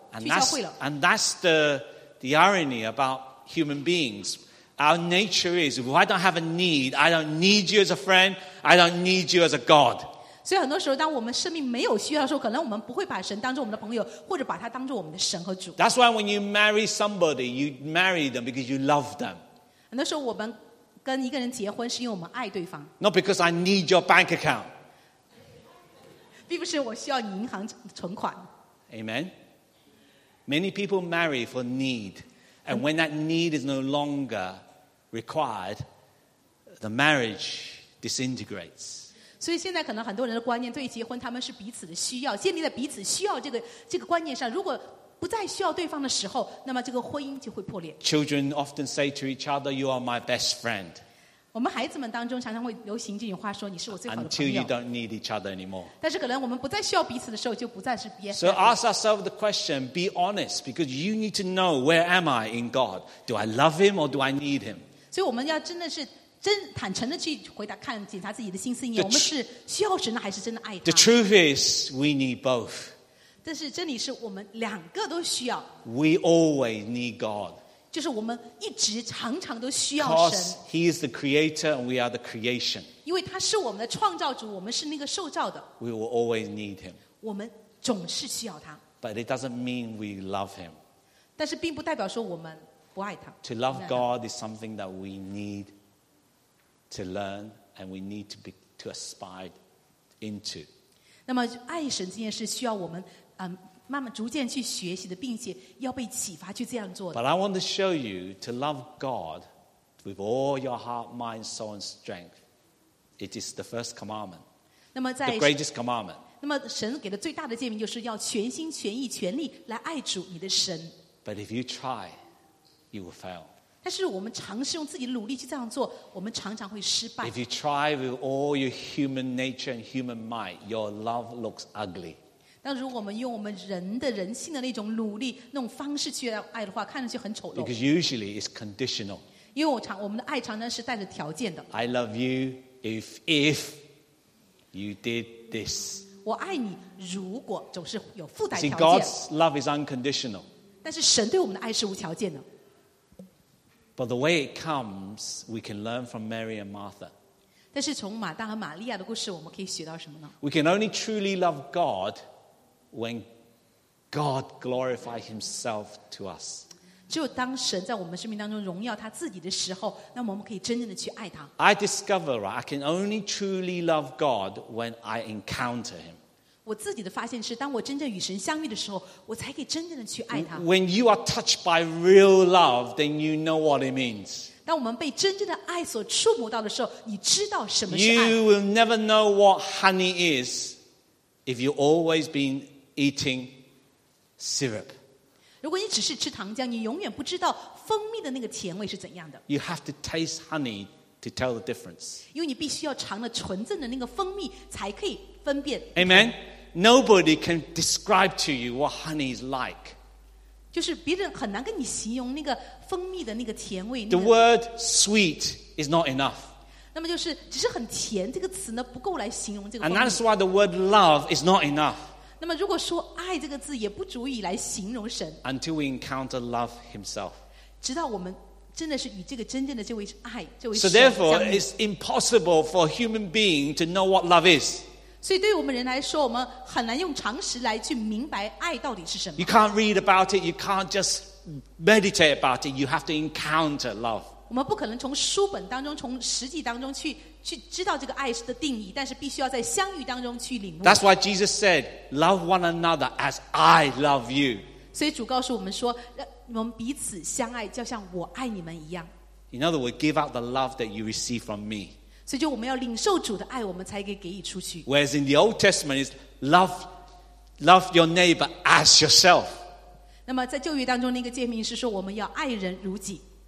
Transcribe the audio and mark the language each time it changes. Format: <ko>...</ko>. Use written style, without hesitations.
<en>and、</en> <zh>去教会了。</zh> <en>And that's the irony about human beings. Our nature is, if I don't have a need, I don't need you as a friend, I don't need you as a God.</en> <zh>所以很多时候，当我们生命没有需要的时候，可能我们不会把神当作我们的朋友，或者把他当作我们的神和主。</zh> <en>That's why when you marry somebody, you marry them because you love them.</en> <zh>很多时候我们跟一个人结婚，是因为我们爱对方。</zh> <en>Not because I need your bank account.</en> <zh>并不是我需要你银行存款。</zh> <en>Amen. Many people marry for need, and when that need is no longer required, the marriage disintegrates.</en> <zh>所以现在可能很多人的观念，对于结婚，他们是彼此的需要，建立在彼此需要这个观念上。如果不再需要对方的时候，那么这个婚姻就会破裂。</zh> <en>Children often say to each other, "You are my best friend."</en> <zh>我们孩子们当中常常会流行这句话，说你是我最好的朋友。</zh> <en>Until you don't need each other anymore.</en> <zh>但是可能我们不再需要彼此的时候，就不再是别人。</zh> <en>So ask ourselves the question, be honest, because you need to know where am I in God? Do I love him or do I need him?</en> <zh>所以我们要真的是真坦诚的去回答，看检查自己的心思意念，我们是需要神呢，还是真的爱他？</zh> <en>The truth is, we need both.</en> <zh>但是真理是我们两个都需要。</zh> <en>We always need God.</en> <zh>就是我们一直常常都需要神。</zh> <en>Because he is the creator and we are the creation.</en> <zh>因为他是我们的创造主，我们是那个受造的。</zh> <en>We will always need him.</en> <zh>我们总是需要他。</zh> <en>But it doesn't mean we love him.</en> <zh>但是并不代表说我们不爱他。</zh> <en>To love God is something that we need to learn and we need to be to aspire into.</en> <zh>那么爱神这件事需要我们慢慢逐渐去学习的，并且要被启发去这样做的。</zh> <en>But I want to show you to love God with all your heart, mind, soul, and strength. It is the first commandment.</en> <zh>那么在</zh> <en>the greatest commandment.</en> <zh>那么神给的最大的诫命就是要全心全意全力来爱主你的神。</zh> <en>But if you try, you will fail.</en> <zh>但是我们尝试用自己的努力去这样做，我们常常会失败。</zh> <en>If you try with all your human nature and human might, your love looks ugly.</en> <zh>但如果我们用我们人的人性的那种努力那种方式去爱的话，看上去很丑陋。</zh> <en>Because usually it's conditional.</en> <zh>因为我们的爱常常是带着条件的。</zh> <en>I love you if you did this.</en> <zh>我爱你，如果总是有附带条件。</zh> <en>See, God's love is unconditional.</en> <zh>但是神对我们的爱是无条件的。</zh> <en>But the way it comes, we can learn from Mary and Martha.</en> <zh>但是从马大和玛利亚的故事，我们可以学到什么呢</zh> <en>？We can only truly love God. When God glorifies Himself to us,</en> <zh>只有当神在我们生命当中荣耀他自己的时候，那么我们可以真正的去爱他。</zh> <en>I discover, right, I can only truly love God when I encounter Him.</en> <zh>我自己的发现是，当我真正与神相遇的时候，我才可以真正的去爱他。</zh> <en>When you are touched by real love, then you know what it means.</en> <zh>当我们被真正的爱所触摸到的时候，你知道什么是爱。</zh> <en>You will never know what honey is. If you've always been eating syrup,</en> <zh>如果你只是吃糖浆，你永远不知道蜂蜜的那个甜味是怎样的。</zh> <en>You have to taste honey to tell the difference.</en> <zh>因为你必须要尝了纯正的那个蜂蜜，才可以分辨。</zh> <en>Amen. Nobody can describe to you what honey is like.</en> <zh>就是别人很难跟你形容那个蜂蜜的那个甜味。</zh> <en>The word sweet is not enough.</en> <zh>那么就是只是很甜这个词呢不够来形容这个蜂蜜。</zh> <en>And that's why the word love is not enough.</en> <zh>那么如果说爱这个字也不足以来形容神。</zh> <en>Until we encounter love himself.</en> <zh>直到我们真的是与这个真正的这位爱这位神。</zh> <en>So therefore, it's impossible for a human being to know what love is.</en> <zh>所以对于我们人来说我们很难用常识来去明白爱到底是什么。</zh> <en>You can't read about it, you can't just meditate about it, you have to encounter love.</en> <zh>我们不可能从书本当中从实际当中 去知道这个爱的定义，但是必须要在相遇当中去领悟。</zh> <en>That's why Jesus said, love one another as I love you.</en> <zh>所以主告诉我们说，我们彼此相爱，就像我爱你们一样。</zh> <en>In other words, give out the love that you receive from me.</en> <zh>所以就我们要领受主的爱，我们才可以给予出去。</zh> <en>Whereas in the Old Testament, it's love your neighbor as yourself.</en> <zh>那么在旧约当中那个诫命是说我们要爱人如己。</zh>